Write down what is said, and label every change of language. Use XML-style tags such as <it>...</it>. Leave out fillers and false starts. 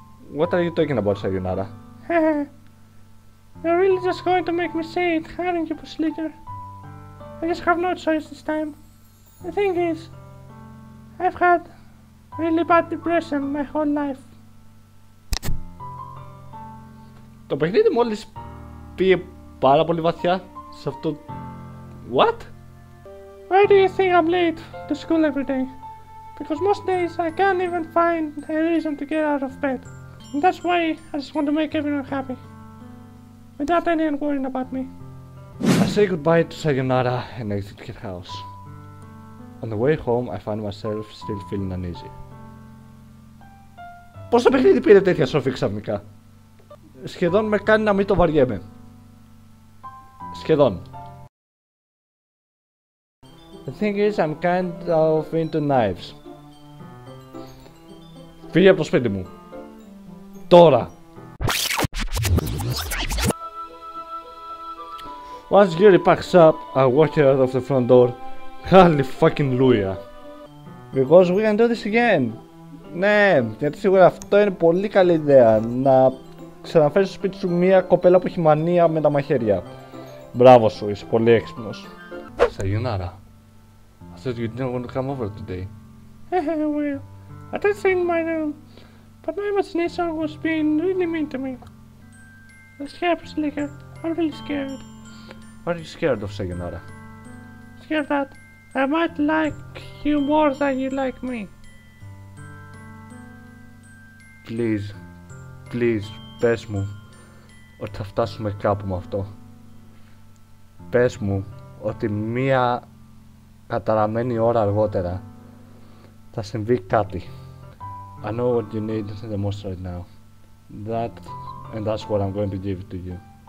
<en>What are you talking about, Sayonara? You're really just going to make me say it, aren't you, Bushlicker? I just have no choice this time. The thing is, I've had really bad depression my whole life.</en> <el>Το παιχνίδι μόλις πήγε πάρα πολύ βαθιά σε αυτό...</el> <en>What? Why do you think I'm late to school every day? Because most days I can't even find a reason to get out of bed. And that's why I just want to make everyone happy. Without anyone worrying about me. I say goodbye to Sayonara and exit her house. On the way home, I find myself still feeling uneasy.</en> <el>Πώς το παιχνίδι πήρε τέτοια σόφη ξαφνικά? Σχεδόν με κάνει να μην το βαριέμαι. Σχεδόν.</el> <en>The thing is, I'm kind of into knives.</en> <el>Φύγε από το σπίτι μου. Τώρα.</el> <en>Once Yuri packs up, I walk her out of the front door. Holy fucking Luya. Because we can do this again.</en> <el>Ναι, γιατί σίγουρα αυτό είναι πολύ καλή ιδέα. Να ξαναφέρεις στο σπίτι σου μία κοπέλα που έχει μανία με τα μαχαίρια. Μπράβο σου, είσαι πολύ έξυπνος.</el> <en>Sayonara, I thought you didn't want to come over today. Well, I did stay in my room. But my imagination was being really mean to me. The scare was like, I'm really scared. What are you scared of, Sayonara? Scared that I might like you more than you like me. Please, please,</en> <el>πες μου ότι θα φτάσουμε κάπου με αυτό. Πες μου ότι μία καταραμένη ώρα αργότερα θα συμβεί κάτι.</el> <en>I know what you need the most right now. That, and that's what I'm going to give to you.</en>